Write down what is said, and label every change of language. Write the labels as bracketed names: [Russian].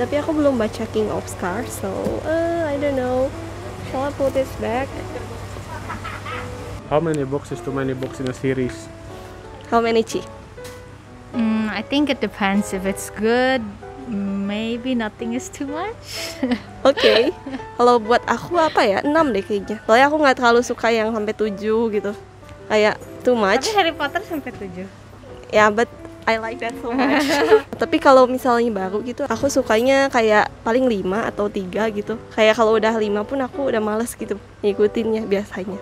[Indonesian] Tapi aku belum baca King of Scars, [English] so I don't know. Shall I put this back? How many books is too many books in a series? How many, Chi? I think it depends. If it's good, maybe nothing is too much. [Indonesian] Okay. Kalau buat aku apa ya? 6 deh kayaknya. Soalnya aku gak terlalu suka yang sampai 7 gitu. [English] Kayak too much. [Indonesian] Tapi Harry Potter sampai 7. [English] Ya, yeah, but I like that so much. [Indonesian] Tapi kalau misalnya baru gitu, aku sukanya kayak paling 5 atau 3 gitu. Kayak kalau udah 5 pun aku udah males gitu ngikutinnya biasanya.